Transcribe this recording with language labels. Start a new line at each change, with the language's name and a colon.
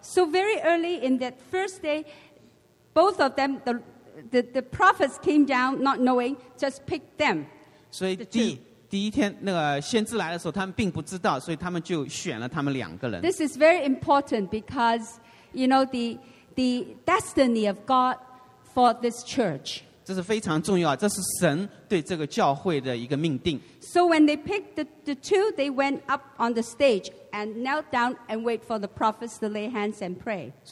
English: So very early in that first day, both of them, the prophets came down not knowing, just picked them.
Chinese: 所以第一天那个先知来的时候，他们并不知道，所以他们就选了他们两个人。
English: This is very important because, you know, the destiny of God for this church.
Chinese: 这是非常重要，这是神对这个教会的一个命定。
English: So when they picked the two, they went up on the stage and knelt down and wait for the prophets to lay hands and pray.